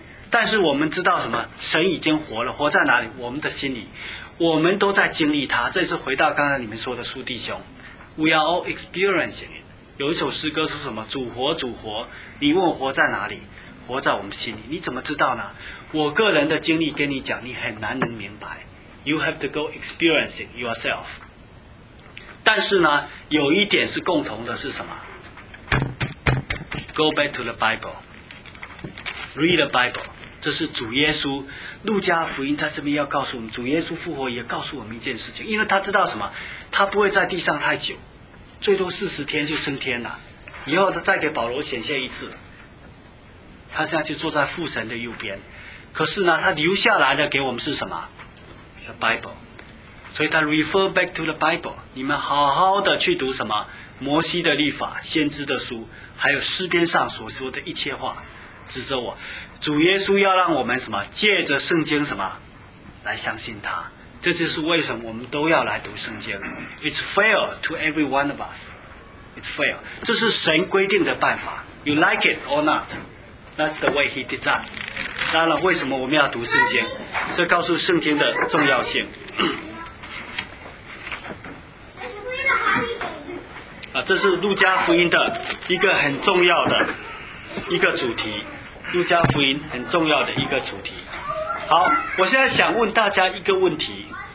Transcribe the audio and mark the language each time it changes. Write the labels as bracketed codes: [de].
[zh] 但是我们知道什么？神已经活了，活在哪里？我们的心里，我们都在经历他。这是回到刚才你们说的苏弟兄 ， [en] We are all experiencing it。 [zh] 有一首诗歌说什么？主活，主活，你问我活在哪里？活在我们心里。你怎么知道呢？我个人的经历跟你讲，你很难能明白。 [en] You have to go experiencing yourself。 [zh] 但是呢，有一点是共同的，是什么 [en] ？Go back to the Bible, read the Bible。 [zh] 这是主耶稣，路加福音在这边要告诉我们，主耶稣复活也告诉我们一件事情，因为他知道什么？他不会在地上太久，最多40天就升天了，以后他再给保罗显现一次。他现在就坐在父神的右边，可是呢，他留下来的给我们是什么 ？The Bible。所以他 [en] refer back to the Bible， [zh] 你们好好的去读什么？摩西的律法、先知的书，还有诗篇上所说的一切话，指着我。主耶稣要让我们什么？借着圣经什么？来相信他。这就是为什么我们都要来读圣经。 [en] It's fair to every one of us. It's fair. [zh] 这是神规定的办法。 [en] You like it or not? That's the way he designed. [zh] 当然，为什么我们要读圣经？这告诉圣经的重要性。啊，这是路加福音的一个很重要的一个主题。路加福音很重要的一个主题。好，我现在想问大家一个问题。